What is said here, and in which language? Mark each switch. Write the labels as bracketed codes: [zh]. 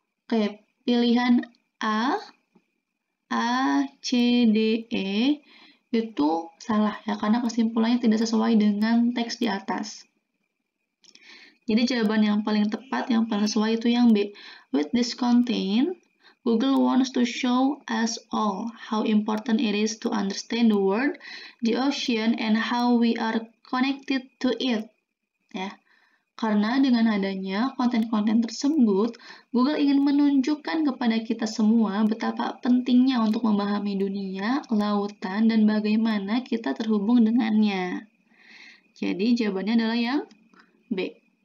[id] Oke, pilihan A, C, D, E itu salah, ya, karena kesimpulannya tidak sesuai dengan teks di atas. Jadi jawaban yang paling tepat, yang paling sesuai itu yang B. [en] With this content, Google wants to show us all how important it is to understand the world, the ocean, and how we are connected to it. [id] Ya. Karena dengan adanya konten-konten tersebut, Google ingin menunjukkan kepada kita semua betapa pentingnya untuk memahami dunia, lautan, dan bagaimana kita terhubung dengannya. Jadi, jawabannya adalah yang B.